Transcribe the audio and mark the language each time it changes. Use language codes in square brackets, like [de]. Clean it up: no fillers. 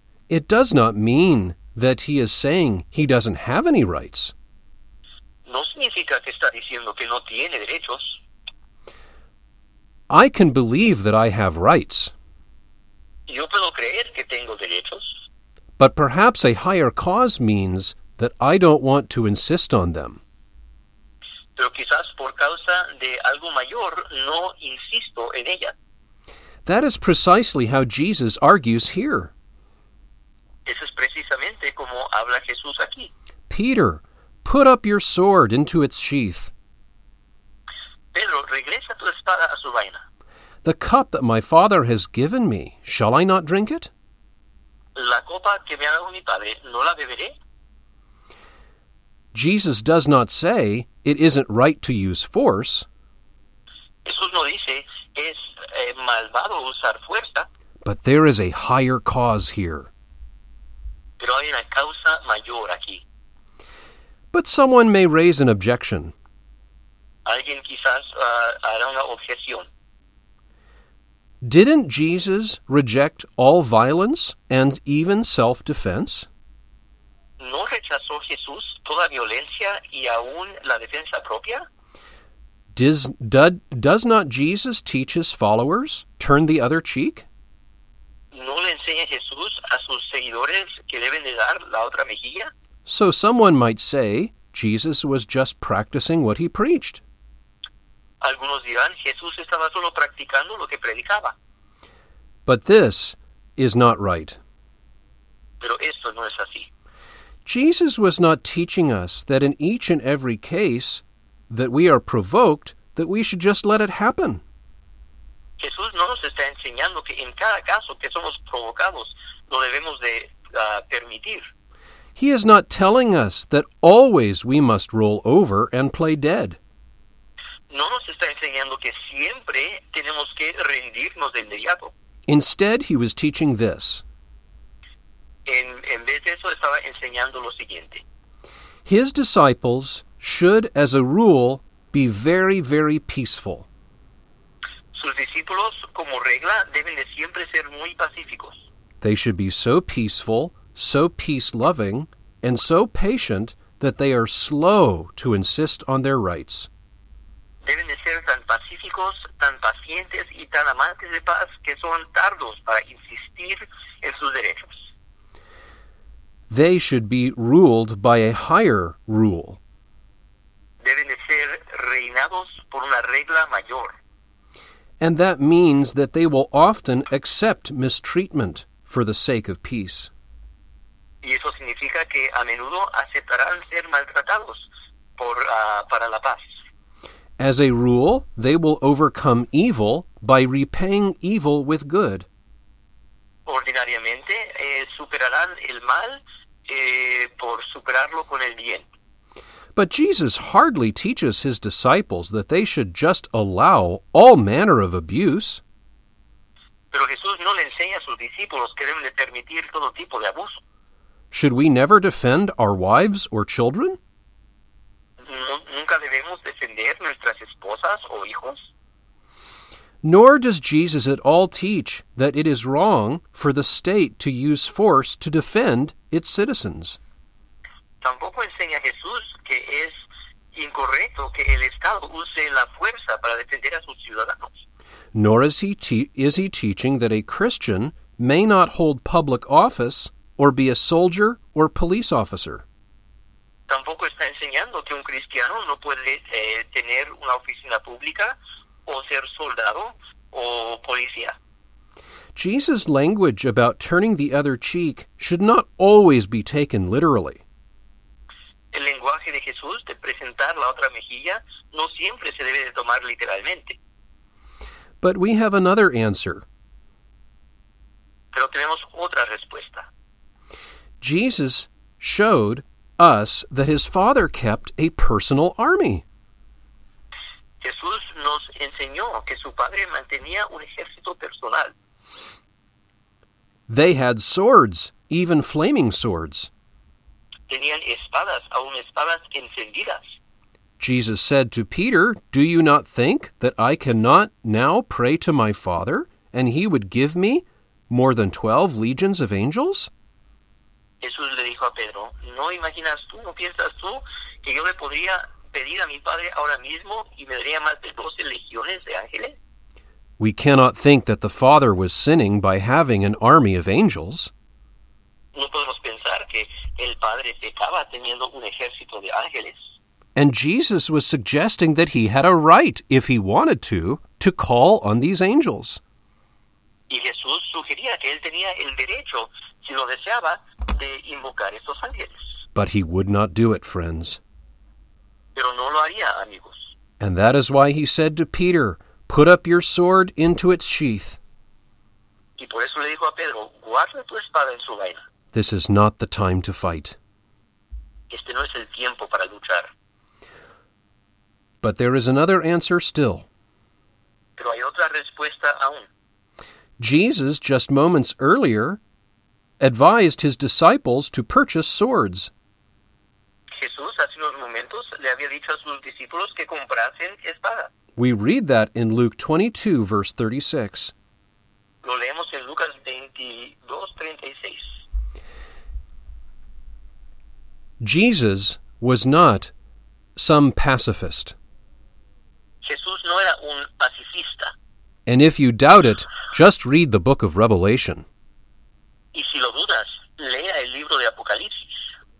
[en] it does not mean that he is saying he doesn't have any rights. [es] No significa que está diciendo que no tiene derechos. [en] I can believe that I have rights. [es] Yo puedo creer que tengo derechos. [en] But perhaps a higher cause means that I don't want to insist on them. [es] pero quizás por causa de algo mayor no insisto en ella. [en] That is precisely how Jesus argues here. [es] Eso es precisamente como habla Jesús aquí. [en] Peter, put up your sword into its sheath. [es] Pedro, regresa tu espada a su vaina. [en] The cup that my father has given me, shall I not drink it? [es] La copa que me ha dado mi padre, ¿no la beberé? [en] Jesus does not say it isn't right to use force. [es] Jesús no dice es malvado usar fuerza. [en] But there is a higher cause here. [es] Pero hay una causa mayor aquí. [en] But someone may raise an objection. [es] Alguien quizás hará una objeción. [en] Didn't Jesus reject all violence and even self-defense? [es] ¿No rechazó Jesús toda violencia y aún la defensa propia? [en] Does not Jesus teach his followers turn the other cheek? [es] ¿No le enseña Jesús a sus seguidores que deben de dar la otra mejilla? [en] So someone might say Jesus was just practicing what he preached. [es] Algunos dirán Jesús estaba solo practicando lo que predicaba. [en] But this is not right. [es] Pero esto no es así. [en] Jesus was not teaching us that in each and every case that we are provoked, that we should just let it happen. [es] Jesús no nos está enseñando que en cada caso que somos provocados, lo debemos de permitir. [en] He is not telling us that always we must roll over and play dead. [es] No nos está enseñando que siempre tenemos que rendirnos de inmediato. [en] Instead, he was teaching this. [es] En vez de eso, estaba enseñando lo siguiente. [en] His disciples should, as a rule, be very, very peaceful. [es] Sus discípulos, como regla, deben de siempre ser muy pacíficos. [en] They should be so peaceful, so peace-loving, and so patient that they are slow to insist on their rights. [es] Deben de ser tan pacíficos, tan pacientes y tan amantes de paz que son tardos para insistir en sus derechos. [en] They should be ruled by a higher rule. [es] Deben de ser reinados por una regla mayor. [en] And that means that they will often accept mistreatment for the sake of peace. [es] Y eso significa que a menudo aceptarán ser maltratados para la paz. [en] As a rule, they will overcome evil by repaying evil with good. [es] Ordinariamente, superarán el mal por superarlo con el bien. [en] But Jesus hardly teaches his disciples that they should just allow all manner of abuse. [es] Pero Jesús no le enseña a sus discípulos que deben de permitir todo tipo de abuso. [en] Should we never defend our wives or children? [es] ¿Nunca debemos defender nuestras esposas o hijos? [en] Nor does Jesus at all teach that it is wrong for the state to use force to defend its citizens. [es] Tampoco enseña Jesús que es incorrecto que el Estado use la fuerza para defender a sus ciudadanos. [en] Nor is he teaching that a Christian may not hold public office or be a soldier or police officer. [es] Tampoco está enseñando que un cristiano no puede tener una oficina pública o ser soldado o policía. [en] Jesus' language about turning the other cheek should not always be taken literally. [es] El lenguaje de Jesús de presentar la otra mejilla no siempre se debe de tomar literalmente. [en] But we have another answer. [es] Pero tenemos otra respuesta. [en] Jesus showed us that his father kept a personal army. [es] Jesús nos enseñó que su padre mantenía un ejército personal. [en] They had swords, even flaming swords. [es] Tenían espadas, aún espadas encendidas. [en] Jesus said to Peter, "Do you not think that I cannot now pray to my father, and he would give me more than 12 legions of angels?" [es] Jesús le dijo a Pedro, ¿no imaginas tú, no piensas tú, que yo le podría pedir a mi padre ahora mismo y me daría más de 12 legiones de ángeles? [en] We cannot think that the father was sinning by having an army of angels. [es] No podemos pensar que el padre pecaba teniendo un ejército de ángeles. [en] And Jesus was suggesting that he had a right, if he wanted to call on these angels. [es] Y Jesús sugería que él tenía el derecho, si lo deseaba, de invocar esos ángeles. [en] But he would not do it, friends. [es] Pero no lo haría, amigos. [en] And that is why he said to Peter, "Put up your sword into its sheath." [es] Y por eso le dijo a Pedro, "Guarda tu espada en su vaina." [en] This is not the time to fight. [es] Este no es el tiempo para luchar. [en] But there is another answer still. [es] Pero hay otra respuesta aún. [en] Jesus, just moments earlier, advised his disciples to purchase swords. [es] Jesús, hace unos momentos, le había dicho a sus discípulos que comprasen espada. [en] We read that in Luke 22, verse 36. [es] Lo leemos en Lucas 22, 36. [en] Jesus was not some pacifist. [es] Jesús no era un pacifista. [en] And if you doubt it, just read the book of Revelation. [es] Y si lo dudas, lea el libro de Apocalipsis.